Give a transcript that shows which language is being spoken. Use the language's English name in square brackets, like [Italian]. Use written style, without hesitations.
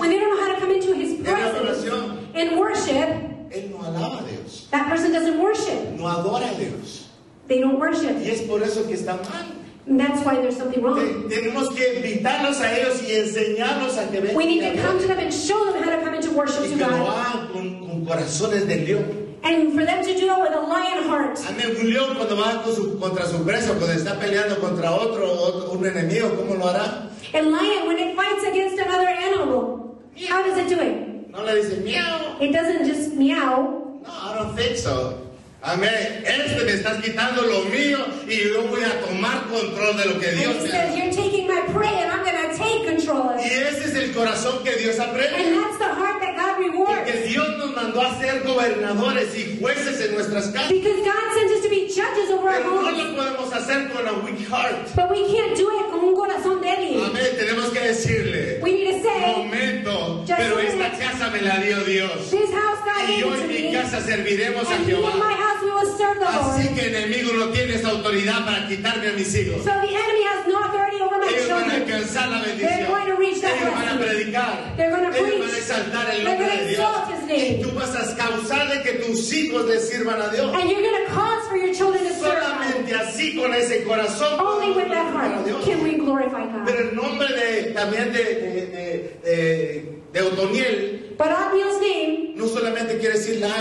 [English] When they don't know how to come into His presence. [Spanish] En la adoración. [English] In worship. [Spanish] Él no alaba a Dios. [English] That person doesn't worship. [Spanish] No adora a Dios. [English] They don't worship. [Spanish] Y es por eso que está mal. [English] And that's why there's something wrong. [Spanish] Tenemos que invitarlos a ellos y enseñarlos a que vengan. [English] We need to come to them and show them how to come into worship to God. [Spanish] Y que lo hagan con corazones de león. [English] And for them to do that with a lion heart. [Spanish] Amén. Un león cuando va contra su presa, cuando está peleando contra otro, un enemigo, ¿cómo lo hará? [English] A lion, when it fights against another animal, how does it do it? [Spanish] No le dice miau. [English] It doesn't just meow. No, I don't think so. [Spanish] Amén. Este me estás quitando lo mío y yo voy a tomar control de lo que Dios me ha dado. [English] You're taking my prey and I'm going to take control of it. [Spanish] Y ese es el corazón que Dios aprende. [English] And that's the heart that God rewards. [Spanish] Porque Dios nos mandó a ser gobernadores y jueces en nuestras casas. [English] Because God sent us to be judges over our homes. [Spanish] Pero no lo podemos hacer con [English] a weak heart. But we can't do it [Spanish] con un corazón débil. Amén. Tenemos que decirle. [English] We need to say. [Spanish] Momento. Pero esta casa me la dio Dios. [English] This house God gave me. [Spanish] Y yo en mi casa serviremos a Jehová. Así que el enemigo no tiene esa autoridad para quitarme a mis hijos. [English] So the enemy has no authority over my [Spanish] ellos [English] children. [Spanish] Van a alcanzar la bendición. [English] They're going to reach that [Spanish] ellos [English] blessing. [Spanish] Van a predicar. [English] They're going to [Spanish] ellos Van a exaltar el nombre de Dios. Y tú vas a causarle que tus hijos le sirvan a Dios. [English] And you're going to cause for your children to serve. [Spanish] Solamente así con ese corazón. [English] Only with that heart can we glorify God. [Spanish] Pero el nombre de también de Otoniel. [English] But Otniel's name [Spanish] no solamente quiere decir lion,